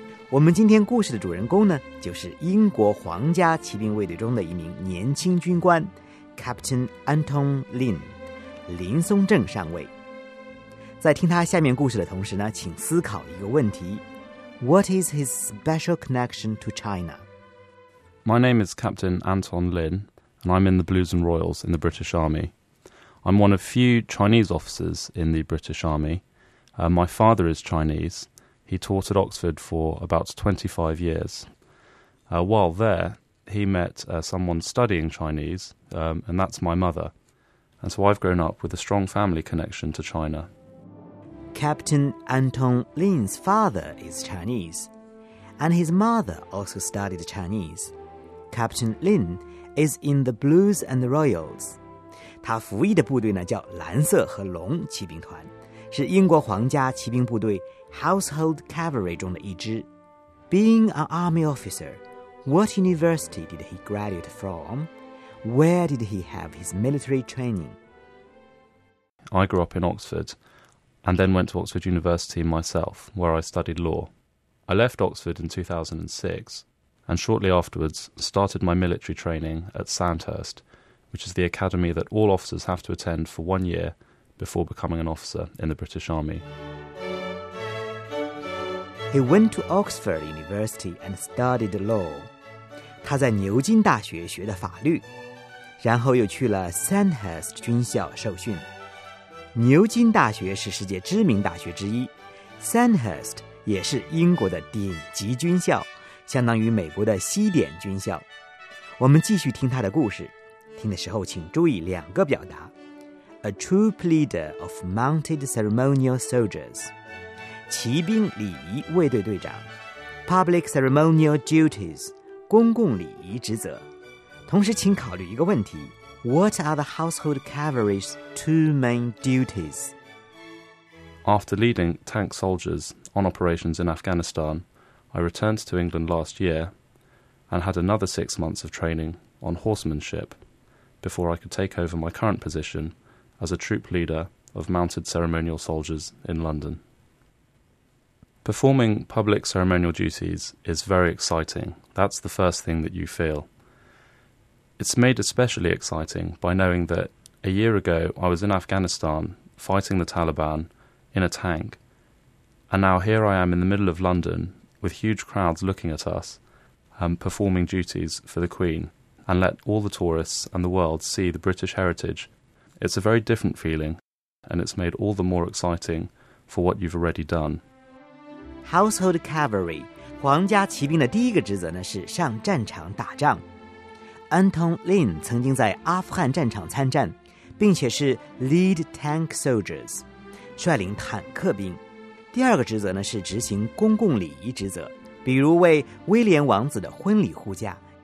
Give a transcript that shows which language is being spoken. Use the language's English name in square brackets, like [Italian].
[Chinese] 我们今天故事的主人公呢，就是英国皇家骑兵卫队中的一名年轻军官 Captain Anton Lin 林松正上尉。在听他下面故事的同时呢，请思考一个问题， [English] What is his special connection to China? My name is Captain Anton Lin, and I'm in the Blues and Royals in the British Army. I'm one of few Chinese officers in the British Army. My father is Chinese. He taught at Oxford for about 25 years. While there, he met someone studying Chinese, and that's my mother. And so I've grown up with a strong family connection to China. Captain Anton Lin's father is Chinese, and his mother also studied Chinese. Captain Lin is in the Blues and the Royals. [Chinese] 他服役的部队呢叫蓝色和龙骑兵团，是英国皇家骑兵部队 Household Cavalry 中的一支。 [English] Being an army officer, what university did he graduate from? Where did he have his military training? I grew up in Oxford. And then went to Oxford University myself, where I studied law. I left Oxford in 2006, and shortly afterwards started my military training at Sandhurst, which is the academy that all officers have to attend for 1 year before becoming an officer in the British Army. He went to Oxford University and studied law. [Chinese] 他在牛津大学学的法律，然后又去了 Sandhurst 军校受训。牛津大学是世界知名大学之一， Sandhurst 也是英国的顶级军校，相当于美国的西点军校。我们继续听他的故事，听的时候请注意两个表达， [English] A troop leader of mounted ceremonial soldiers， [Chinese] 骑兵礼仪卫队队长， [English] Public ceremonial duties， [Chinese] 公共礼仪职责。同时请考虑一个问题， [English] What are the Household Cavalry's two main duties? After leading tank soldiers on operations in Afghanistan, I returned to England last year and had another 6 months of training on horsemanship before I could take over my current position as a troop leader of mounted ceremonial soldiers in London. Performing public ceremonial duties is very exciting. That's the first thing that you feel. It's made especially exciting by knowing that a year ago I was in Afghanistan fighting the Taliban in a tank, and now here I am in the middle of London with huge crowds looking at us, performing duties for the Queen, and let all the tourists and the world see the British heritage. It's a very different feeling, and it's made all the more exciting for what you've already done. [Chinese] Household Cavalry, 皇家骑兵的第一个职责呢是上战场打仗。 Anton Lin 曾经在阿富汗战场参战，并且是 [English] lead tank soldiers， [Chinese] 率领坦克兵。第二个职责呢是执行公共礼仪职责，比如为威廉王子的婚礼护驾。